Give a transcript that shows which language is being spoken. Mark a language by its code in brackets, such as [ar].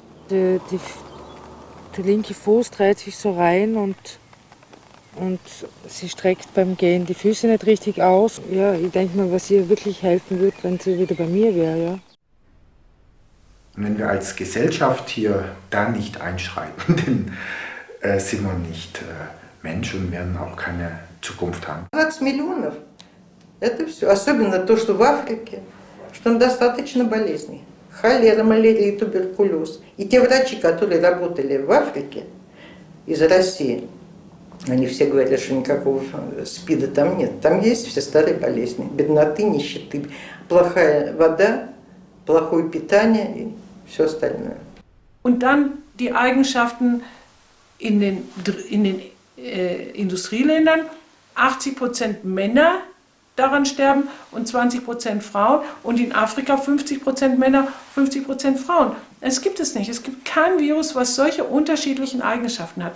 [de] Der linke Fuß dreht sich so rein und sie streckt beim Gehen die Füße nicht richtig aus. Ja, ich denke mal, was ihr wirklich helfen wird, wenn sie wieder bei mir wäre. Ja. Wenn wir als Gesellschaft hier da nicht einschreiten, denn sind wir nicht Mensch und werden auch keine Zukunft haben. 20 Millionen, [ru] это все. Особенно то, что в Африке, что там достаточно болезней. Холера, малярия и туберкулез. И те врачи, которые работали в Африке из России, они все говорили, что никакого СПИДа там нет. Там есть все старые болезни. Бедноты, нищеты, плохая вода, плохое питание и все остальное. [de] Und dann die Eigenschaften in den Industrieländern, 80% Männer daran sterben und 20% Frauen und in Afrika 50% Männer, 50% Frauen. Es gibt es nicht. Es gibt kein Virus, was solche unterschiedlichen Eigenschaften hat.